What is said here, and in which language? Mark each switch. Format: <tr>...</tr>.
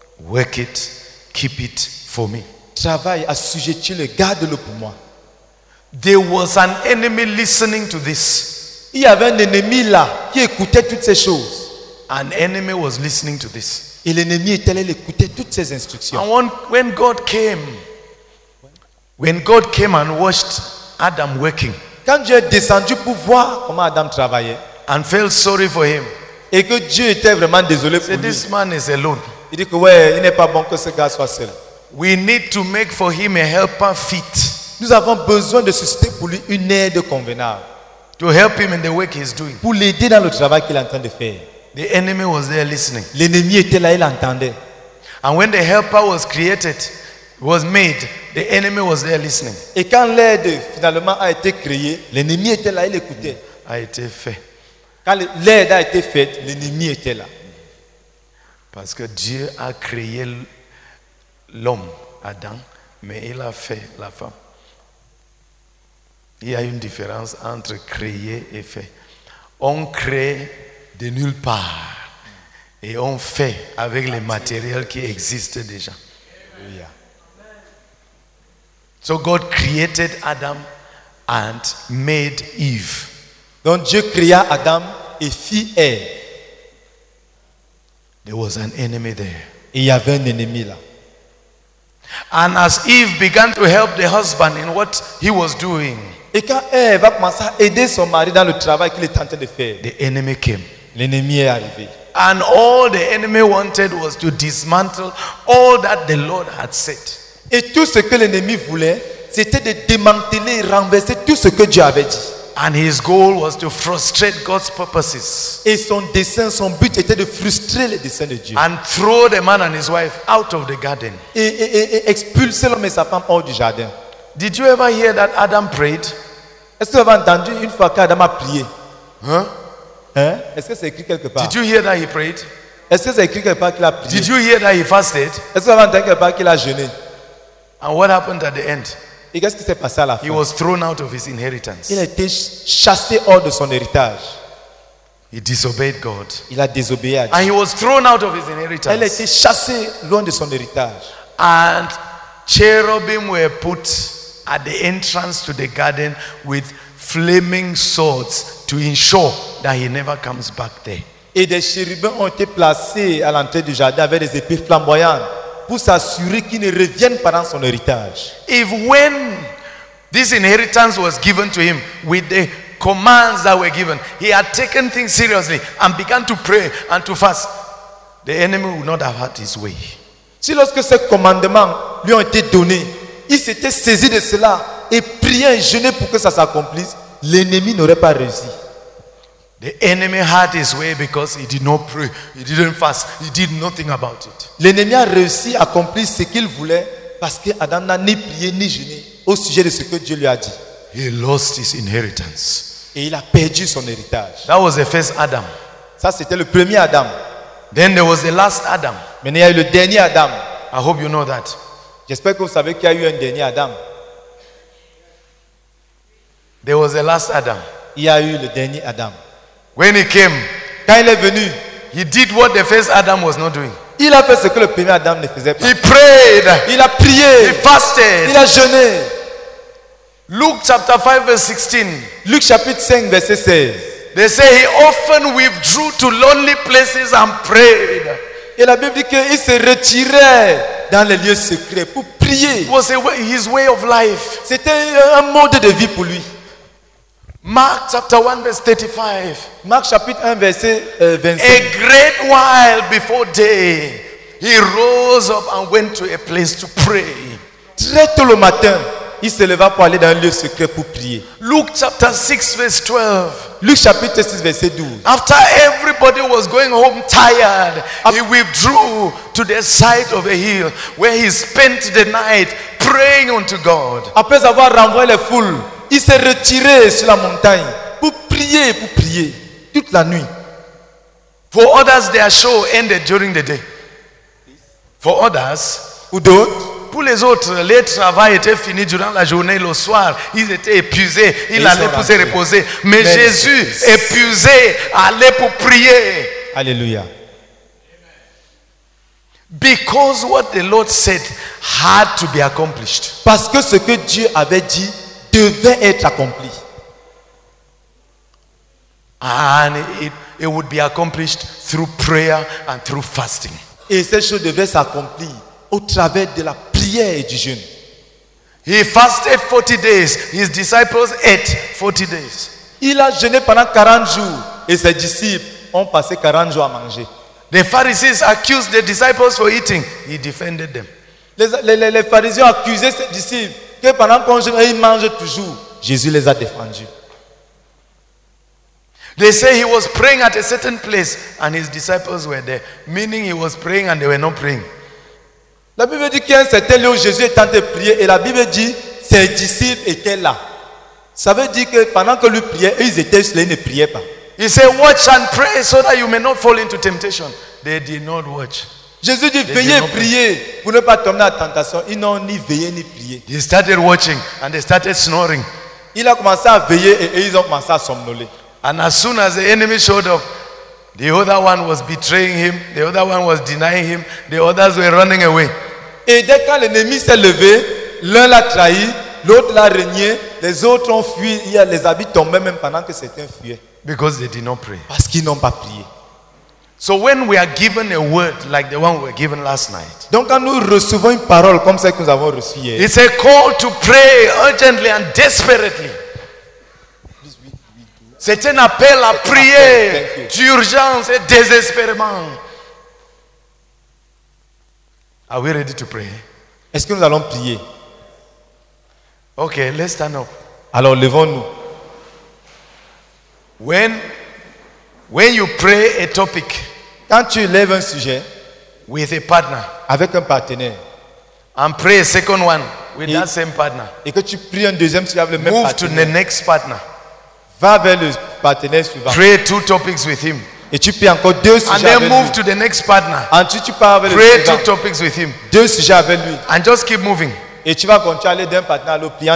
<en>Work it, keep it for me.</en> <fr>Travaille, assujettis-le, garde-le pour moi.</fr> <en>There was an enemy listening to this.</en> <fr>Il y avait un ennemi là qui écoutait toutes ces choses.</fr> <en>An enemy was listening to this.</en> <fr>Et l'ennemi était là, il écoutait toutes ces instructions.</fr> <en>And when God came and watched Adam working.</en> <fr>Quand Dieu est descendu pour voir comment Adam travaillait,</fr> <en>and felt sorry for him,</en> <fr>et que Dieu était vraiment désolé pour lui,</fr> <en>this man is alone.</en> <fr>Il dit que ouais, il n'est pas bon que ce gars soit seul.</fr> <en>We need to make for him a helper fit.</en> <fr>Nous avons besoin de susciter pour lui une aide convenable.</fr> <en>To help him in the work he's doing.</en> <fr>Pour l'aider dans le travail qu'il est en train de faire.</fr> <en>The enemy was there listening.</en> <fr>L'ennemi était là, il entendait.</fr> <en>And when the helper was created, was made, the enemy was there listening.</en> <fr>Et quand l'aide finalement a été créée, l'ennemi était là, il écoutait. A été fait. Quand l'aide a été faite, l'ennemi était là. Parce que Dieu a créé l'homme, Adam, mais il a fait la femme. Il y a une différence entre créer et faire. On crée de nulle part et on fait avec les matériels qui existent déjà.</fr> <en>Yeah. So God created Adam and made Eve.</en> <fr>Donc Dieu créa Adam et fit Eve.</fr> <en>There was an enemy there.</en> <fr>Et il y avait un ennemi là.</fr> <en>And as Eve began to help the husband in what he was doing.</en> <fr>Et quand Eve a commencé à aider son mari dans le travail qu'il était en train de faire.</fr> <en>The enemy came.</en> <fr>L'ennemi est arrivé.</fr> <en>And all the enemy wanted was to dismantle all that the Lord had said.</en> <fr>Et tout ce que l'ennemi voulait, c'était de démanteler, renverser tout ce que Dieu avait dit.</fr> <en>And his goal was to frustrate God's purposes.</en> <fr>Et son dessein, son but était de frustrer les desseins de Dieu.</fr> <en>And throw the man and his wife out of the garden.</en> <fr>Et expulser l'homme et sa femme hors du jardin.</fr> <en>Did you ever hear that Adam prayed?</en> <fr>Est-ce que vous avez entendu une fois qu'Adam a prié? Hein? Hein? Est-ce que c'est écrit quelque part?</fr> <en>Did you hear that he prayed?</en> <fr>Est-ce que c'est écrit quelque part qu'il a prié?</fr> <en>Did you hear that he fasted?</en> <fr>Est-ce que vous avez entendu quelque part qu'il a jeûné?</fr> <en>And what happened at the end?</en> <fr>Et qu'est-ce qui s'est passé à la fin?</fr> <en>He was thrown out of his inheritance.</en> <fr>Il a été chassé hors de son héritage.</fr> <en>He disobeyed God.</en> <fr>Il a désobéi à Dieu.</fr> <en>And he was thrown out of his inheritance.</en> <fr>Il a été chassé loin de son héritage.</fr> <en>And cherubim were put at the entrance to the garden with flaming swords to ensure that he never comes back there.</en> <fr>Et des chérubins ont été placés à l'entrée du jardin avec des épées flamboyantes pour s'assurer qu'il ne revienne pas dans son héritage.</fr> <en>If when This inheritance was given to him with the commands that were given. He had taken things seriously and began to pray and to fast. The enemy would not have had his way.</en> <fr>Si lorsque ces commandements lui ont été donnés, il s'était saisi de cela et prié et jeûné pour que ça s'accomplisse, l'ennemi n'aurait pas réussi.</fr> <en>The enemy had his way because he did not pray, he didn't fast, he did nothing about it.</en> <fr>L'ennemi a réussi à accomplir ce qu'il voulait parce que Adam n'a ni prié ni jeûné au sujet de ce que Dieu lui a dit.</fr> <en>He lost his inheritance.</en> <fr>Et il a perdu son héritage.</fr> <en>That was the first Adam.</en> <fr>Ça c'était le premier Adam.</fr> <en>Then there was the last Adam.</en> <fr>Mais il y a eu le dernier Adam.</fr> <en>I hope you know that.</en> <fr>J'espère que vous savez qu'il y a eu un dernier Adam.</fr> <en>There was the last Adam.</en> <fr>Il y a eu le dernier Adam.</fr> <en>When he came,</en> <fr>quand il est venu,</fr> <en>he did what the first Adam was not doing.</en> <fr>Il a fait ce que le premier Adam ne faisait pas.</fr> <en>He prayed.</en> <fr>Il a prié.</fr> <en>He fasted.</en> <fr>Il a jeûné.</fr> <en>Luke chapter 5 verse 16.</en> <fr>Luke chapitre 5 verset 16.</fr> <en>They say he often withdrew to lonely places and prayed.</en> <fr>Et la Bible dit qu'il se retirait dans les lieux secrets pour prier.</fr> <en>It was his way of life.</en> <fr>C'était un mode de vie pour lui.</fr> <en>Mark chapter 1 verse 35.</en> <fr>Mark chapitre 1 verset 25.</fr> <en>A great while before day, he rose up and went to a place to pray.</en> <fr>Très tôt le matin, il se leva pour aller dans un lieu secret pour prier.</fr> <en>Luke chapter 6 verse 12.</en> <fr>Luke chapitre 6 verset 12.</fr> <en>After everybody was going home tired, he withdrew to the side of a hill where he spent the night praying unto God.</en> <fr>Après avoir renvoyé les foules, il s'est retiré sur la montagne pour prier toute la nuit.</fr> <en>For others, their show ended during the day. For others,</en> <fr>ou d'autres. Pour les autres, le travail était fini durant la journée, le soir, ils étaient épuisés, ils allaient pour se reposer. Mais Jésus, épuisé, allait pour prier. Alléluia.</fr> <en>Because what the Lord said had to be accomplished.</en> <fr>Parce que ce que Dieu avait dit devait être accompli.</fr> <en>And it would be accomplished through prayer and through fasting.</en> <fr>Et cette chose devait s'accomplir au travers de la prière et du jeûne.</fr> <en>He fasted 40 days. His disciples ate 40 days.</en> <fr>Il a jeûné pendant 40 jours et ses disciples ont passé 40 jours à manger.</fr> <en>The Pharisees accused the disciples for eating. He defended them.</en> <fr>Les pharisiens accusaient ses disciples que pendant qu'on jeûne, ils mangent toujours. Jésus les a défendus.</fr> <en>They say he was praying at a certain place and his disciples were there. Meaning he was praying and they were not praying.</en> <fr>La Bible dit qu'il y a un certain lieu où Jésus est en train de prier et la Bible dit ses disciples étaient là. Ça veut dire que pendant que lui priait, ils étaient là, ils ne priaient pas.</fr> <en>He said, watch and pray so that you may not fall into temptation. They did not watch.</en> <fr>Jésus dit, veillez et priez pour ne pas tomber à la tentation. Ils n'ont ni veillé ni prié.</fr> <en>They started watching and they started snoring.</en> <fr>Il a commencé à veiller et ils ont commencé à somnoler.</fr> <en>And as soon as the enemy showed up, the other one was betraying him. The other one was denying him. The others were running away.</en> <fr>Et dès quand l'ennemi s'est levé, l'un l'a trahi, l'autre l'a renié, les autres ont fui. Les habits tombaient même pendant que certains fuyaient.</fr> <en>Because they did not pray.</en> <fr>Parce qu'ils n'ont pas prié.</fr> <en>So when we are given a word like the one we were given last night.</en> <fr>Donc quand nous recevons une parole comme celle que nous avons reçue hier.</fr> <en>It's a call to pray urgently and desperately.</en> <fr>C'est un appel à prier d'urgence et désespérément.</fr> <en>Are we ready to pray?</en> <fr>Est-ce que nous allons prier?</fr> <en>Okay, let's stand up.</en> <fr>Alors levons-nous.</fr> <en>When you pray a topic,</en> <fr>quand tu lèves un sujet</fr> <en>with a partner,</en> <fr>avec un partenaire,</fr> <en>and pray a second one with that same partner,</en> <fr>et que tu pries un deuxième sujet avec le même</fr> <en>move</en> <fr>partenaire,</fr> <en>move to the next partner.</en> <fr>Va vers le partenaire suivant.</fr> <en>Pray two topics with him.</en> <fr>Et tu pries encore deux sujets avec lui.</fr> <en>And then move to the next partner.</en> <fr>Et tu pars avec</fr> <en>pray</en> <fr>le suivant.</fr> <en>Two topics with him.</en> <fr>Deux sujets avec lui.</fr> <en>And just keep moving.</en> <fr>Et tu vas continuer à aller d'un partenaire à l'autre priant</fr>